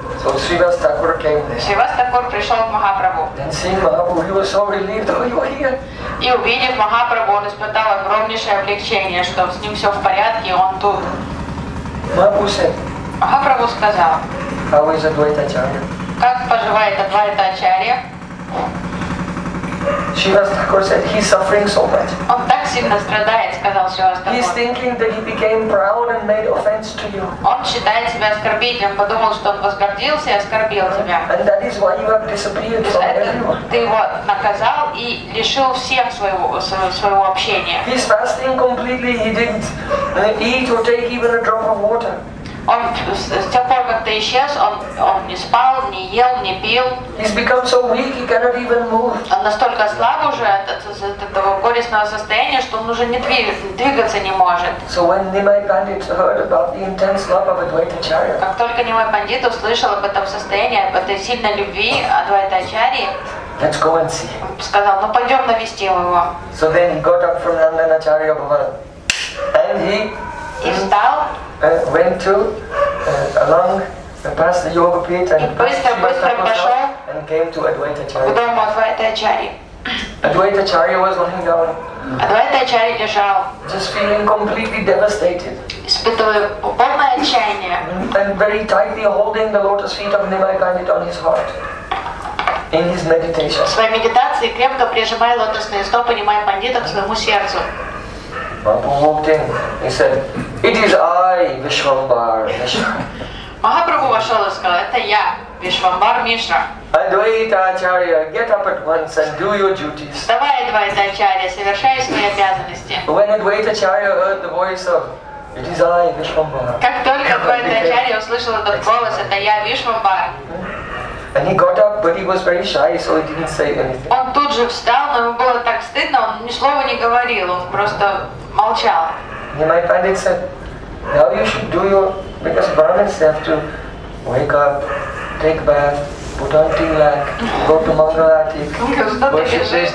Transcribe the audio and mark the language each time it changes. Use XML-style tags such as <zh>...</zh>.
<en>So Sri Vastakur came there.</en> <ru>Шри Вастакур пришел к Махапрабху.</ru> <en>And seeing Mahaprabhu, he was so relieved, "Oh, you are here."</en> <ru>И увидев Махапрабху, он испытал огромнейшее облегчение, что с ним все в порядке, он тут. Махапрабху сказал,</ru> <en>"How is Advaita Acharya?"</en> <ru>Как поживает Адвайта Ачарья?</ru> <en>Shiva Thakur said, "He's suffering so much."</en> <ru>Он так сильно страдает, сказал Шива Стакур.</ru> <en>He's thinking that he became proud and made offense to you.</en> <ru>Он считает себя оскорбителем, подумал, что он возгордился и оскорбил тебя.</ru> <en>And that is why you have disappeared from everyone.</en> <ru>Ты его наказал и лишил всех своего общения.</ru> <en>He's fasting completely. He didn't eat or take even a drop of water.</en> <ru>Он с тех пор, как ты исчез, он не спал, не ел, не пил.</ru> <en>He's become so weak, he cannot even move.</en> <ru>Он настолько слаб уже от этого горестного состояния, что он уже не двигаться не может.</ru> <en>So when Nimai Pandit heard about the intense love of Advaita Acharya,</en> <ru>как только Nimai Pandit услышал об этом состоянии, об этой сильной любви Адвайта Ачарьи,</ru> <en>let's go and see.</en> <ru>Сказал, ну пойдем навестим его.</ru> <en>So then he got up from Nandanacharya Bhavan, and he</en> <ru>встал.</ru> <en>Went to along past the yoga pit and came to Advaita Acharya. Advaita Acharya was lying down.</en> <ru>Advaita Acharya лежал.</ru> <en>Just feeling completely devastated.</en> <ru>Испытывая полное отчаяние.</ru> <en>And very tightly holding the lotus feet of Nimai Pandit on his heart in his meditation.</en> <ru>В своей медитации крепко прижимая лотосные стопы Нимай Пандита к своему сердцу.</ru> <en>Mahaprabhu walked in. He said, "It is I, Vishwambar Mishra."</en> <ru>Mahaprabhu вошел и сказал, "Это я, Vishwambar Mishra."</ru> <en>Advaita Acharya, get up at once and do your duties.</en> <ru>Вставай, Advaita Acharya, совершай свои обязанности.</ru> <en>When Advaita Acharya heard the voice of, "It is I, Vishwambar,"</en> <ru>как только Advaita Acharya услышал этот голос, "Это я, Vishwambar."</ru> <en>And he got up, but he was very shy, so he didn't say anything.</en> <ru>Он тут же встал, но ему было так стыдно, он ни слова не говорил, он просто молчал.</ru> <en>Nimai Pandit said, "Now you should do your, because Brahmins have to wake up, take bath, put on tilak, go to Mangalati."</en>